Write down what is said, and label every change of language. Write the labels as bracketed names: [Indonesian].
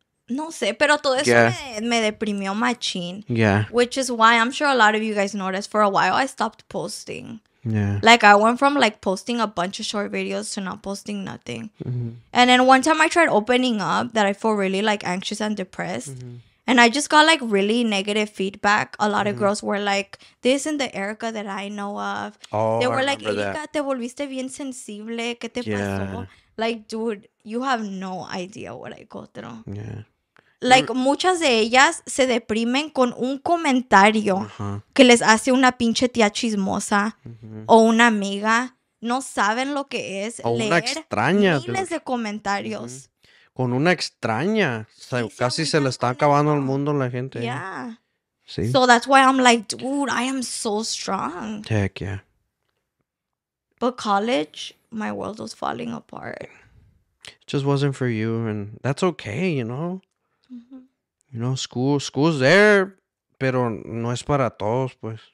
[Spanish] No sé, pero todo eso me deprimió machín. [English] Yeah. Which is why I'm sure a lot of you guys noticed, for a while, I stopped posting. Yeah. Like, I went from, like, posting a bunch of short videos to not posting nothing. Mm-hmm. And then one time I tried opening up that I feel really, like, anxious and depressed. Mm-hmm. And I just got, like, really negative feedback. A lot of girls were like, this isn't the Erika that I know of. Oh, they were, like, Erika, [Spanish] te volviste bien sensible. ¿Qué te pasó? [English] Like, dude, you have no idea what I go through. Yeah. [Spanish] Like, muchas de ellas se deprimen con un comentario que les hace una pinche tía chismosa o una amiga. No saben lo que es o leer una extraña, miles de comentarios. Mm-hmm. Con una extraña. O sea, sí, casi se le está acabando el mundo la gente. [English] Yeah. [Spanish] Sí. [English] So that's why I'm like, dude, I am so strong. Heck yeah. But college, my world was falling apart. It just wasn't for you. And that's okay, you know? Mm-hmm. You know, school's there, [Spanish] pero no es para todos, pues.